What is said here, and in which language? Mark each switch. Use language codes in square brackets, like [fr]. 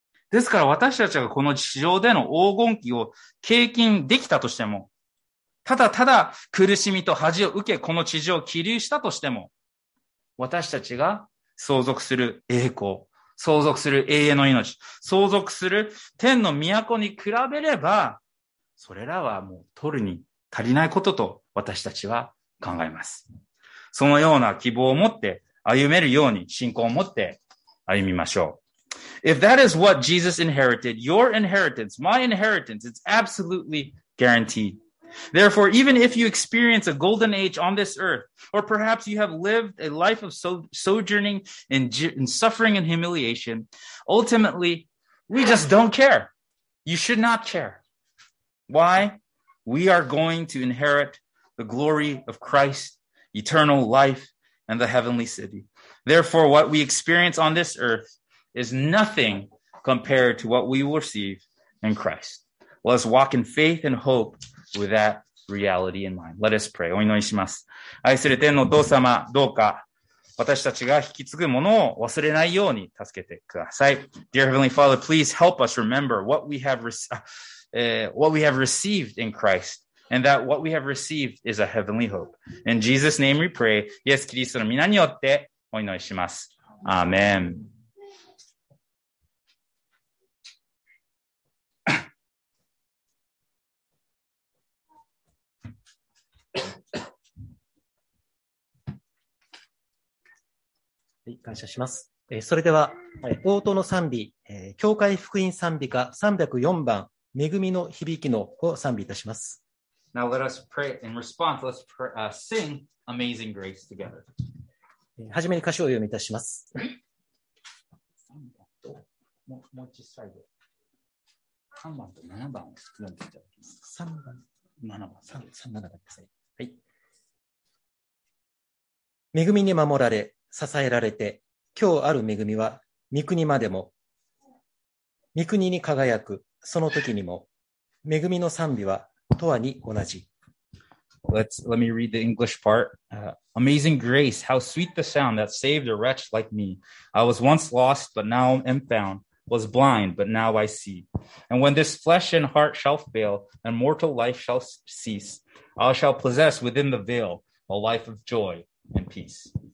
[ja] ですから私たちがこの地上での黄金期を経験できたとしても、ただただ苦しみと恥を受けこの地上を起立したとしても、私たちが相続する栄光、相続する永遠の命、相続する天の都に比べれば、それらはもう取るに足りないことと私たちは考えます。そのような希望を持って、歩めるように信仰を持って歩みましょう。 [en] If that is what Jesus inherited, your inheritance, my inheritance, it's absolutely guaranteed. Therefore, even if you experience a golden age on this earth, or perhaps you have lived a life of sojourning and suffering and humiliation, ultimately, we just don't care. You should not care. Why? We are going to inherit the glory of Christ, eternal life, and the heavenly city. Therefore, what we experience on this earth is nothing compared to what we will receive in Christ. Let us walk in faith and hope with that reality in mind. Let us pray. [ja] お祈りします。愛する天のお父様、どうか私たちが引き継ぐものを忘れないように助けてください。 [en] Dear Heavenly Father, please help us remember what we have received in Christ. And that what we have received is a heavenly hope. In Jesus' name we pray. [ja] イエス・キリストの皆によってお祈りします。アーメン。はい、感謝します。それでは、応答の賛美、教会福音賛美歌304番、恵みの響きのを賛美いたします。 [en] Now let us pray in response. Let's sing Amazing Grace together. [ja] はじめに歌詞を読みいたします。もう一サイド。 3番と7番を読んでいただきます。 3番、7番、3、3、7番ください。はい。恵みに守られ、支えられて、今日ある恵みは、御国までも、御国に輝く、その時にも、恵みの賛美は、とはに同じ。 [en] Let me read the English part. Amazing grace, how sweet the sound that saved a wretch like me. I was once lost, but now am found. Was blind, but now I see. And when this flesh and heart shall fail, and mortal life shall cease, I shall possess within the veil a life of joy and peace.